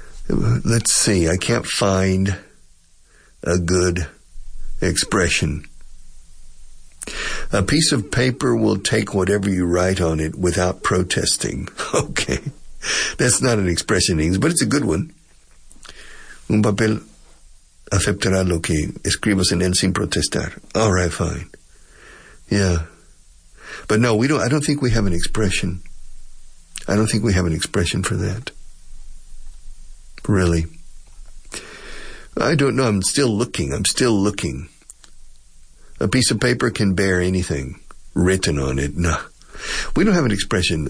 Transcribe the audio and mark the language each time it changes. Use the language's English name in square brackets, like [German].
[English] Let's see. I can't find a good expression. A piece of paper will take whatever you write on it without protesting. Okay. That's not an expression in English, but it's a good one. [Spanish] Un papel aceptará lo que escribas en él sin protestar. [English] All right, fine. Yeah. But no, I don't think we have an expression. I don't think we have an expression for that. Really. I don't know. I'm still looking. A piece of paper can bear anything written on it. No. We don't have an expression.